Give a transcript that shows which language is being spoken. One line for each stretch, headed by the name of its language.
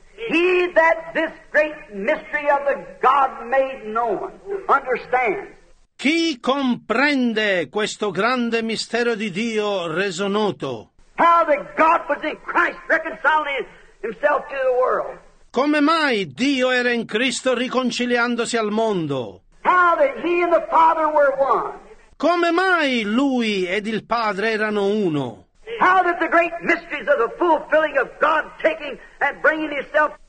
English: He that this great mystery of the God made known understands.
Italian: Chi comprende questo grande mistero di Dio reso noto?
English: How that God was in Christ reconciling himself to the world.
Italian: Come mai Dio era in Cristo riconciliandosi al mondo?
English: How that he and the Father were one.
Italian: Come mai lui ed il Padre erano uno?
English: How that the great mysteries of the fulfilling of God taking and bringing himself.